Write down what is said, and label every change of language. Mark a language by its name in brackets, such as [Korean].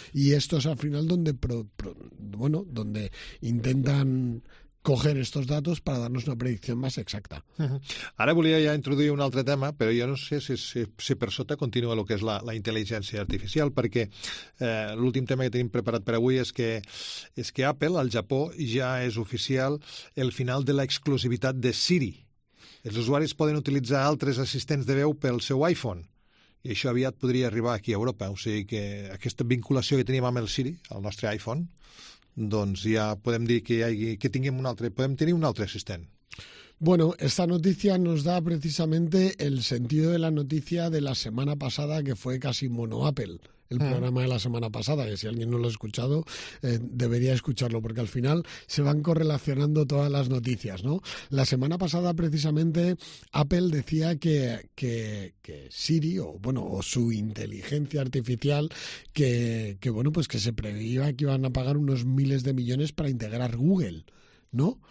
[Spanish] Y esto es al final donde donde intentan coger estos datos para darnos una predicción más exacta. [Catalan] Ara volia ja introduir un altre tema, però jo no sé si per sota continua el que és la intel·ligència artificial, perquè l'últim tema que tenim preparat per avui és que Apple, al Japó, ja és oficial el final de l'exclusivitat de Siri. Els usuaris poden utilitzar altres assistents de veu pel seu iPhone. I això aviat podria arribar aquí a Europa. O sigui que aquesta vinculació que teníem amb el Siri, el nostre iPhone, doncs ja podem dir que tinguem un altre, podem tenir un altre assistent. [Spanish] Bueno, esta noticia nos da precisamente el sentido de la noticia de la semana pasada, que fue casi mono Apple, el programa de la semana pasada, que si alguien no lo ha escuchado, debería escucharlo, porque al final se van correlacionando todas las noticias, ¿no? La semana pasada, precisamente, Apple decía que Siri, o su inteligencia artificial, que se preveía que iban a pagar unos miles de millones para integrar Google, ¿no?